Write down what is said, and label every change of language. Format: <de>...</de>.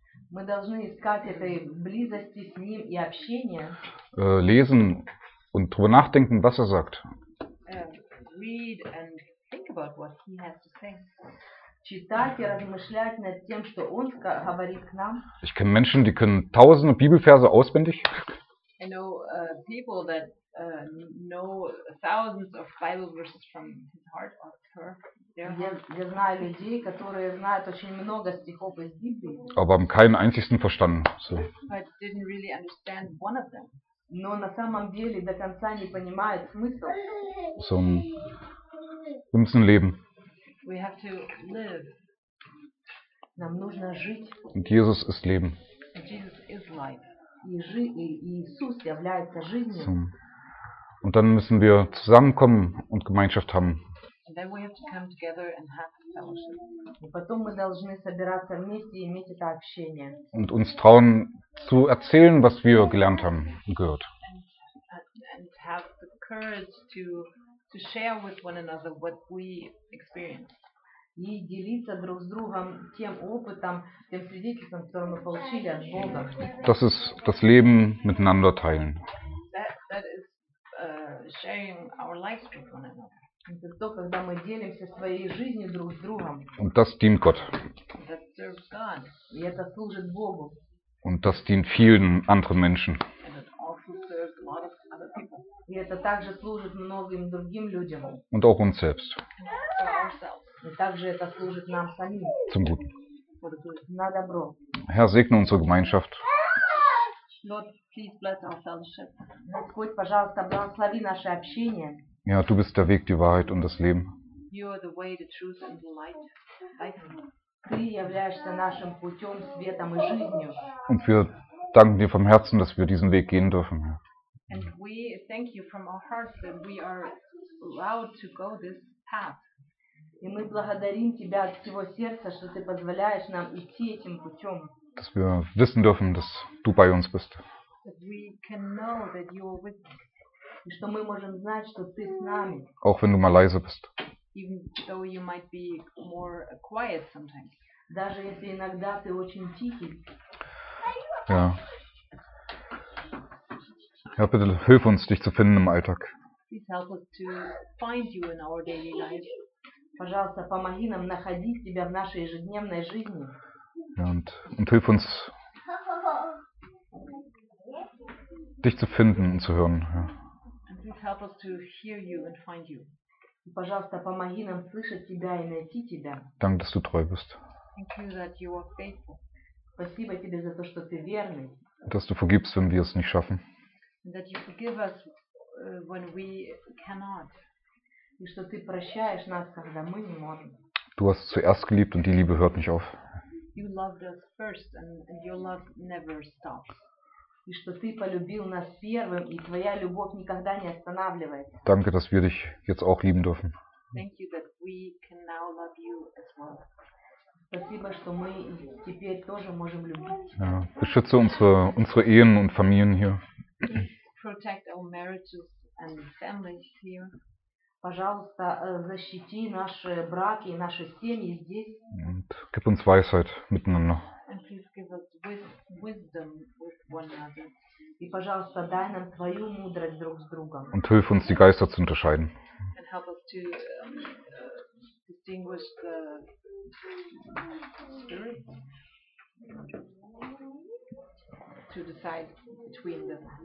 <ru>Мы должны искать этой близости с ним и общения.</ru> <de>Lesen und drüber nachdenken, was er sagt.</de> <en>Read and think about what he has to say.</en> <ru>Читать и размышлять над тем, что он говорит к нам.</ru> <de>Ich kenne Menschen, die können tausende Bibelverse auswendig.</de> <en>I know people that know thousands of Bible verses from his heart or her.</en> <ru>Я знаю людей, которые знают очень много стихов из Библии.</ru> <de>Aber haben keinen einzigen verstanden. So.</de> <en>But didn't really understand one of them.</en> <ru>Но на самом деле до конца не понимают смысл.</ru> <de>So, wir müssen leben.</de> <en>We have to live.</en> <ru>Нам нужно жить.</ru> <de>Und Jesus ist Leben.</de> <en>Jesus is life.</en> <ru>Иисус является жизнью.</ru> <de>So. Und dann müssen wir zusammenkommen und Gemeinschaft haben.</de> <en>And then we have to come together and have fellowship.</en> <ru>И потом мы должны собираться вместе и иметь это общение.</ru> <de>Und uns trauen zu erzählen, was wir gelernt haben und gehört.</de> <en>And have the courage to share with one another what we experienced.</en> <ru>И делиться друг с другом тем опытом, тем свидетельством, которое мы получили от Бога.</ru> <de>Das ist das Leben miteinander teilen.</de> <en>That is sharing our lives with one another.</en> <ru>Это то, когда мы делимся своей жизнью друг с другом.</ru> <de>Und das dient Gott.</de> <en>That serves God.</en> <ru>И это служит Богу.</ru> <de>Und das dient vielen anderen Menschen.</de> <en>And it also serves a lot of other people.</en> <ru>И это также служит многим другим людям.</ru> <de>Und auch uns selbst.</de> <en>For ourselves.</en> <ru>И также это служит нам самим.</ru> <de>Zum Guten.</de> <en>For the good.</en> <ru>На добро.</ru> <de>Herr, segne unsere Gemeinschaft.</de> <en>Lord, please bless our fellowship.</en> <ru>Господь, пожалуйста, благослови наше общение.</ru> <de>Ja, du bist der Weg, die Wahrheit und das Leben.</de> <en>You are the way, the truth and the light.</en> <ru>Ты являешься нашим путем, светом и жизнью.</ru> <de>Und wir danken dir vom Herzen, dass wir diesen Weg gehen dürfen.</de> <en>And we thank you from our hearts that we are allowed to go this path.</en> <ru>И мы благодарим тебя от всего сердца, что ты позволяешь нам идти этим путем.</ru> <de>Dass wir wissen dürfen, dass du bei uns bist.</de> <en>That we can know that you are with us.</en> <ru>И что мы можем знать, что ты с нами.</ru> <de>Auch wenn du mal leise bist.</de> <en>Even though you might be more quiet sometimes.</en> <ru>Даже если иногда ты очень тихий.</ru> <de>Ja. Ja, bitte hilf uns, dich zu finden im Alltag.</de> <en>Please help us to find you in our daily life.</en> <ru>Пожалуйста, помоги нам находить тебя в нашей ежедневной жизни.</ru> <de>Ja, und hilf uns, dich zu finden und zu hören. Ja.</de> <en>And please help us to hear you and find you.</en> <ru>Пожалуйста, помоги нам слышать тебя и найти тебя.</ru> <de>Dank, dass du treu bist.</de> <en>Thank you that you are faithful.</en> <ru>Спасибо тебе за то, что ты верный.</ru> <de>Dass du vergibst, wenn wir es nicht schaffen.</de> <en>And that you forgive us when we cannot.</en> <ru>И что ты прощаешь нас, когда мы не можем.</ru> <de>Du hast zuerst geliebt und die Liebe hört nicht auf.</de> <en>You loved us first and your love never stops.</en> <ru>И что ты полюбил нас первым, и твоя любовь никогда не останавливается.</ru> <de>Danke, dass wir dich jetzt auch lieben dürfen.</de> <en>Thank you that we can now love you as well.</en> <ru>Спасибо, что мы теперь тоже можем любить.</ru> <de>Ja, beschütze unsere Ehen und Familien hier.</de> <en>Protect our marriages and families here.</en> <ru>Пожалуйста, защити наши браки и наши семьи здесь.</ru> <de>Und gib uns Weisheit miteinander.</de> <en>And please give us wisdom with one another.</en> <ru>И, пожалуйста, дай нам твою мудрость друг с другом.</ru> <de>Und hilf uns, die Geister zu unterscheiden.</de> <en>And help us to distinguish the spirits. To decide between them.</en>